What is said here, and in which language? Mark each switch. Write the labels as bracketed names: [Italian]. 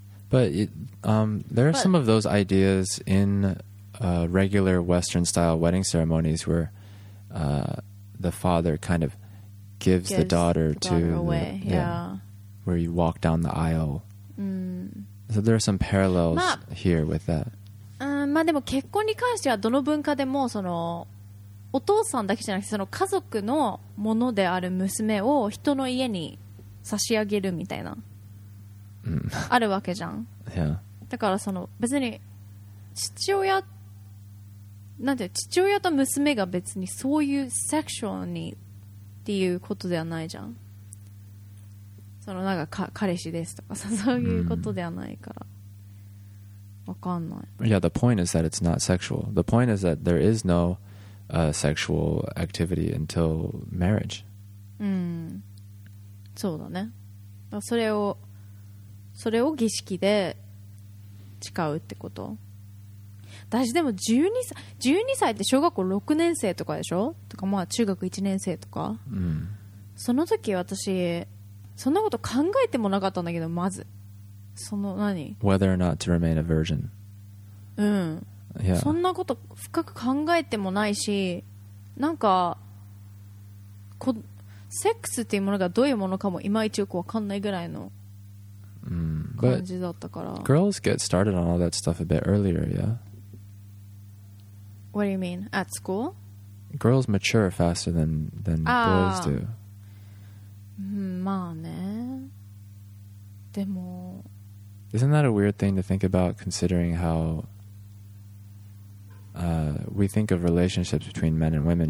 [English] But it,、there are some of those ideas in、regular Western style wedding ceremonies where、the father kind of gives the daughter to the, yeah, where you walk down the aisle.、 Mm. So there are some parallels、here with that. [Japanese] まあ、でも結婚に関してはどの文化でもそのお父さんだけじゃなくてその家族のものである娘を人の家に差し上げるみたいな、 mm. あるわけじゃん、 [English] yeah. [Japanese] だからその別に父親なんて父親と娘が別にそういうセクションにっていうことではないじゃん。そのなんか彼氏ですとかそういうことではないから、mm. [English] Yeah, the point is that it's not sexual. The point is that there is no、sexual activity until marriage. [Japanese] うん、そうだね。それを儀式で誓うってこと。私でも12歳って小学校6年生とかでしょ？とかまあ中学1年生とか。うん。その時私そんなこと考えてもなかったんだけど、まず。その何? [English] Whether or not to remain a virgin. [Japanese] うん。 [English] Yeah. [Japanese] そんなこと深く考えてもないし、なんかこセックスっていうものがどういうものかもいまいちよくわかんないぐらいの感じだったから。 [English] But girls get started on all that stuff a bit earlier, yeah? What do you mean? At school? Girls mature faster than boys do. [Japanese] まあね。でも。 [English] Isn't that a weird thing to think about, considering how、we think of relationships between men and women?